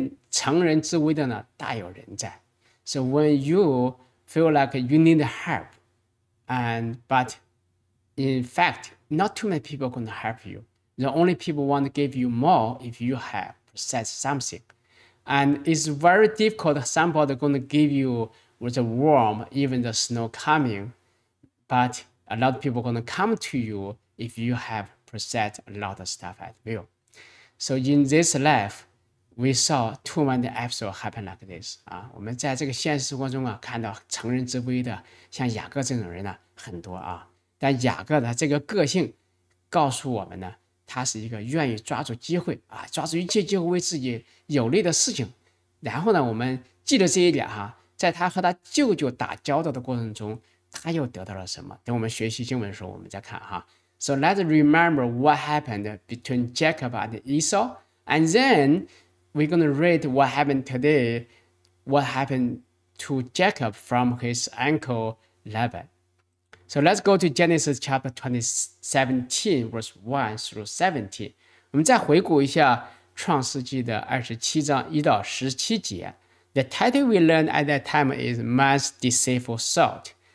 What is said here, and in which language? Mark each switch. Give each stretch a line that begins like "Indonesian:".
Chinese: 乘人之危的呢，大有人在。
English: So when you feel like you need help, but in fact, not too many people are going to help you. The only people want to give you more if you have said something. And it's very difficult, somebody going to give you with the warm, even the snow coming. But a lot of people are going to come to you if you have said a lot of stuff at will. So in this life,We saw too many episodes happen like this.
Chinese: 啊，我们在这个现实生活中啊，看到乘人之危的，像雅各这种人呢、啊，很多啊。但雅各的这个个性，告诉我们呢，他是一个愿意抓住机会啊，抓住一切机会为自己有利的事情。然后呢，我们记得这一点哈、啊，在他和他舅舅打交道的过程中，他又得到了什么？等我们学习经文的时候，我们再看哈、啊。
English: So let's remember what happened between Jacob and Esau, and then. We're going to read what happened today, what happened to Jacob from his uncle Laban. So let's go to Genesis chapter 17, verse 1 through 17.
Chinese: 我们再回顾一下创世纪的27章1到17节。
English: The title we learned at that time is Man's Deceitful Thought.